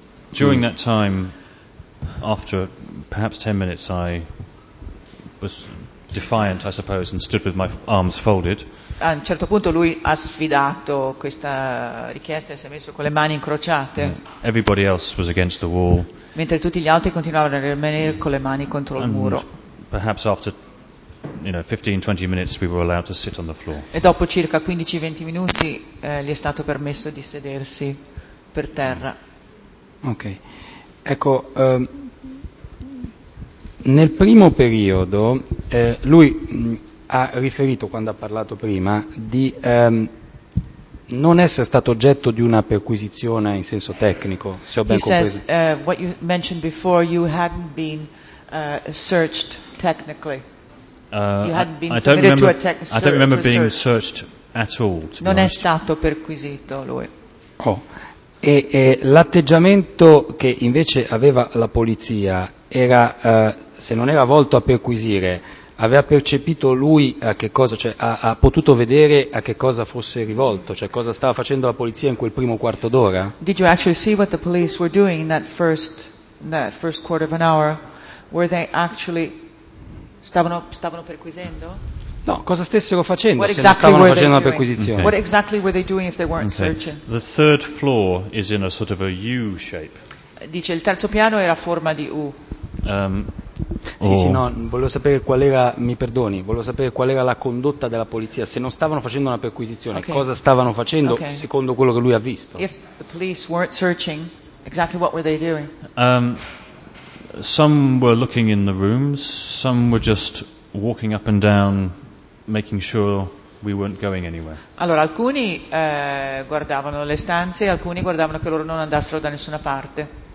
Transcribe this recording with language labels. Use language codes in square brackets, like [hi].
[en] During that time, after perhaps 10 minutes, I was defiant, I suppose, and stood with my arms folded. [it] A un certo punto lui ha sfidato questa richiesta e si è messo con le mani incrociate. [en] Yeah. Everybody else was against the wall. [it] Mentre tutti gli altri continuavano a rimanere con le mani contro il muro. [en] Perhaps after, you know, 15-20 minutes we were allowed to sit on the floor. [it] E dopo circa 15-20 minuti gli è stato permesso di sedersi per terra. Ok. Ecco, nel primo periodo lui ha riferito, quando ha parlato prima, di non essere stato oggetto di una perquisizione in senso tecnico, se ho ben compreso. [en] He says, what you mentioned before, you hadn't been searched technically. I don't remember being searched at all. [it] Non è stato perquisito lui. Oh. E l'atteggiamento che invece aveva la polizia era, se non era volto a perquisire, aveva percepito lui a che cosa, cioè ha potuto vedere a che cosa fosse rivolto, cioè cosa stava facendo la polizia in quel primo quarto d'ora? [en] Did you actually see what the police were doing in that first quarter of an hour? Were they actually [it] stavano perquisendo? No, cosa stessero facendo stavano facendo la perquisizione? [en] What exactly were they doing if they weren't searching? The third floor is in a sort of a U shape. [it] Dice il terzo piano era a forma di U. Volevo sapere qual era la condotta della polizia. Se non stavano facendo una perquisizione, okay. Cosa stavano facendo, okay. Secondo quello che lui ha visto? [en] If the police weren't searching, exactly what were they doing? Some were looking in the rooms, some were just walking up and down, making sure we weren't going anywhere. [it] Allora, alcuni guardavano le stanze, alcuni guardavano che loro non andassero da nessuna parte.